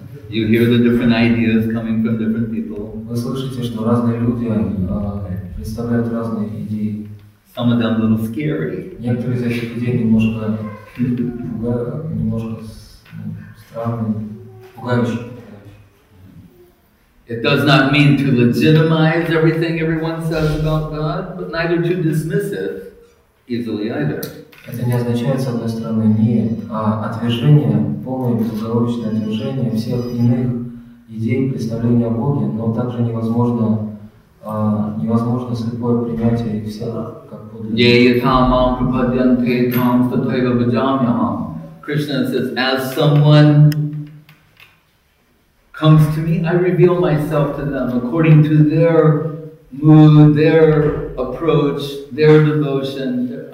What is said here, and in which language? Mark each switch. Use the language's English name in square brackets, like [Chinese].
[English] You hear the different ideas coming from different people. Some of them a little scary. It does not mean to legitimize everything everyone says about God, but neither to dismiss it easily either. [Russian] Это не означает, с одной стороны, не отвержение, полное безоговорочное отвержение всех иных идей представления о Боге, но также невозможно, невозможно слепое принятие всех как подлинное. [English] Krishna says, as someone comes to me, I reveal myself to them according to their mood, their approach, their devotion.